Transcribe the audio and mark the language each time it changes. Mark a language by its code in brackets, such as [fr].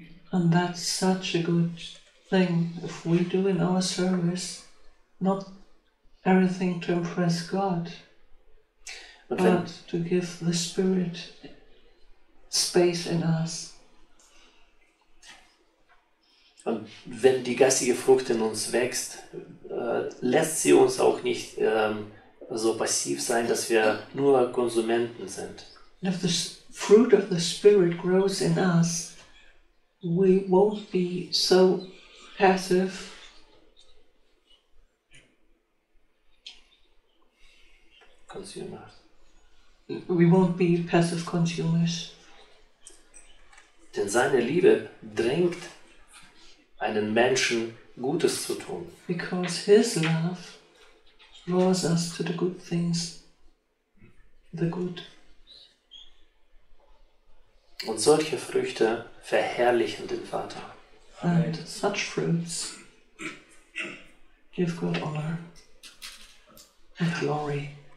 [en] And that's such a good thing if we do in our service, not everything to impress God, but [de] wenn, [en] to give the Spirit space in us. [de] Und wenn die geistige Frucht in uns wächst, lässt sie uns auch nicht so passiv sein, dass wir nur Konsumenten sind. [en] If the fruit of the Spirit grows in us, we won't be so passive consumers. We won't be passive consumers. [de] Denn seine Liebe drängt einen Menschen, Gutes zu tun. [en] Because his love draws us to the good things, the good. [de] Und solche Früchte verherrlichen den Vater. [en] And such fruits give God honor and glory.